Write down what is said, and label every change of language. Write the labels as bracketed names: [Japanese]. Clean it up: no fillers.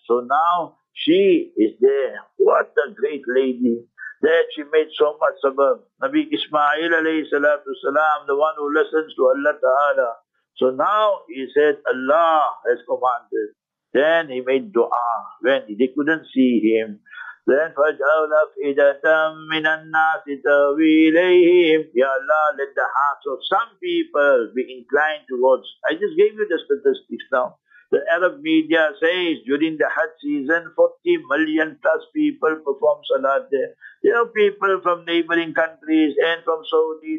[English] So now she is there. What a great lady. That she made so much sabab. Nabi Ismail alayhi salatu salam, the one who listens to Allah Ta'ala. So now he said, Allah has commanded. Then he made dua when they couldn't see him. [Arabic] Then فَجْعَلْ أَفْئِدَةً مِّنَ النَّاسِ تَهْوِي إِلَيْهِمْ. [English] Ya Allah, let the hearts of some people be inclined towards. I just gave you the statistics now. The Arab media says during the Hajj season, 40 million plus people perform Salat there. There are people from neighboring countries and from Saudi.